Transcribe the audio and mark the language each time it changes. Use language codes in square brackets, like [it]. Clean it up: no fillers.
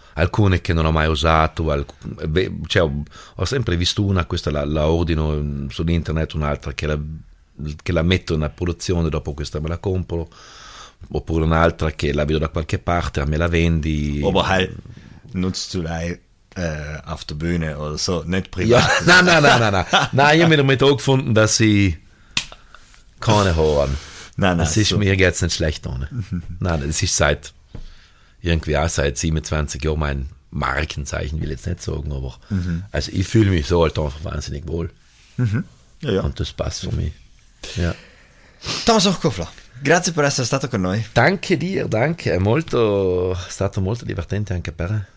[it] Alcune che non ho mai usato, ho sempre visto una, questa la ordino su internet, un'altra che la metto in produzione, dopo questa me la compro, oppure un'altra che la vedo da qualche parte, me la vendi. [de] Oh boh, nutzt du lei. Auf der Bühne oder so, nicht privat. Nein, ich habe damit auch gefunden, dass sie keine hören. Mir geht es nicht schlecht ohne. Nein, das ist seit 27 Jahren mein Markenzeichen, will ich jetzt nicht sagen, aber also ich fühle mich so halt einfach wahnsinnig wohl. Ja, ja. Und das passt für mich. Ja. Thomas Hochkofler. [it] Grazie per essere stato con noi. [de] Danke dir, danke. [it] È molto, stato molto divertente anche per me.